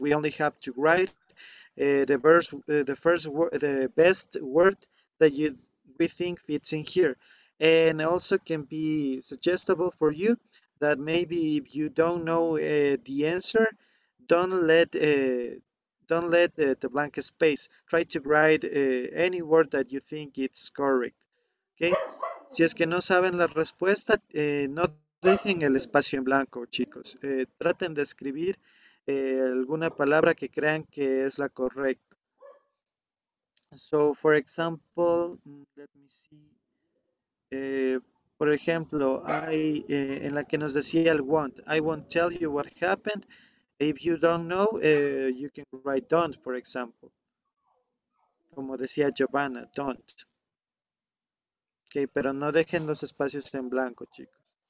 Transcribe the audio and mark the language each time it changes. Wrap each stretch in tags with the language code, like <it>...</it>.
<en>We only have to write the best word that we think fits in here. And also can be suggestible for you that maybe if you don't know the answer, don't let the blank space. Try to write any word that you think it's correct. Okay.</en> <es>Si es que no saben la respuesta, no dejen el espacio en blanco, chicos. Traten de escribir alguna palabra que crean que es la correcta.</es> <en>So, for example, let me see.</en> <es>Por ejemplo, en la que nos decía el want.</es> <en>I won't tell you what happened. If you don't know, you can write don't, for example.</en> <es>Como decía Giovanna, don't. Okay, pero no dejen los espacios en blanco, chicos.</es>